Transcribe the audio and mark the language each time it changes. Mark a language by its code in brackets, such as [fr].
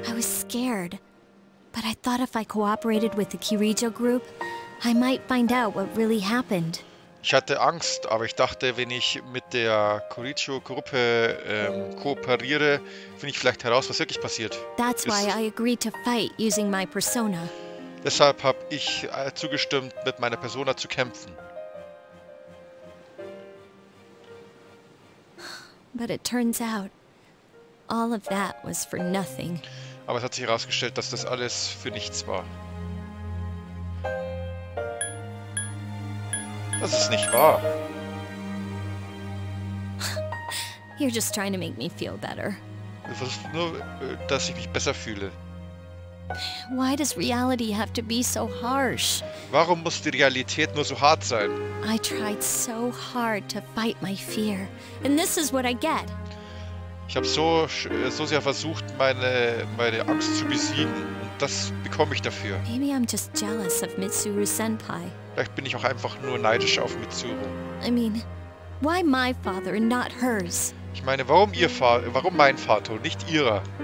[en] I was scared, but I thought if I cooperated with the Kirijo group, I might find out what really happened. [de] Ich hatte Angst, aber ich dachte, wenn ich mit der Kirijo-Gruppe kooperiere, finde ich vielleicht heraus, was wirklich passiert. [en] That's why I agreed to fight using my persona. [de] Deshalb habe ich zugestimmt, mit meiner Persona zu kämpfen. [en] But it turns out, all of that was for nothing. [de] Aber es hat sich herausgestellt, dass das alles für nichts war. Das ist nicht wahr. [en] You're just trying to make me feel better. [de] Du versuchst nur, dass ich mich besser fühle. [en] Why does reality have to be so harsh? [de] Warum muss die Realität nur so hart sein? [en] I tried so hard to fight my fear, and this is what I get. [de] Ich habe so sehr versucht, meine Angst zu besiegen, und das bekomme ich dafür. [en] Maybe I'm just jealous of Mitsuru Senpai. [de] Vielleicht bin ich auch einfach nur neidisch auf Mitsuru. [en] I mean, why my father and not hers? [de] Ich meine, warum mein Vater und nicht ihrer?